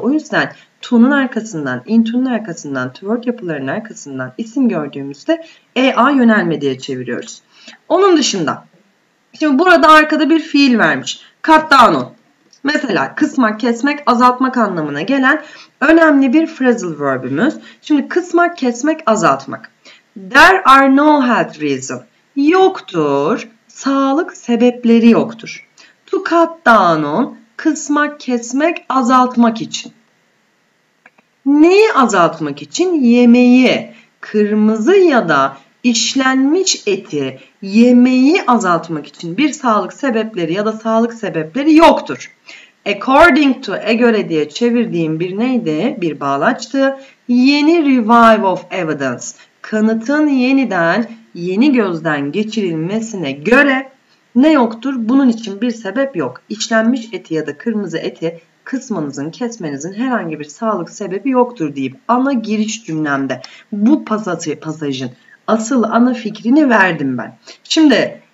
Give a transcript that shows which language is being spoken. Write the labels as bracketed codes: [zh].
[tr] O yüzden to'nun arkasından, into'nun arkasından, toward yapılarının arkasından isim gördüğümüzde E-A yönelme diye çeviriyoruz. Onun dışında. Şimdi burada arkada bir fiil vermiş. Cut down on. Mesela kısmak, kesmek, azaltmak anlamına gelen önemli bir phrasal verbimiz. Şimdi kısmak, kesmek, azaltmak. [en] There are no health reasons. [tr] Yoktur, sağlık sebepleri yoktur. To cut down on, kısmak, kesmek, azaltmak için. Neyi azaltmak için? Yemeği, kırmızı ya da işlenmiş eti, yemeği azaltmak için bir sağlık sebepleri ya da sağlık sebepleri yoktur. According to, e göre diye çevirdiğim bir neydi? Bir bağlaçtı. [en] Yeni revive of evidence. [tr] Kanıtın yeniden, yeni gözden geçirilmesine göre ne yoktur? Bunun için bir sebep yok. İşlenmiş eti ya da kırmızı eti kısmanızın, kesmenizin herhangi bir sağlık sebebi yoktur deyip ana giriş cümlemde bu pasajın asıl ana fikrini verdim ben. Şimdi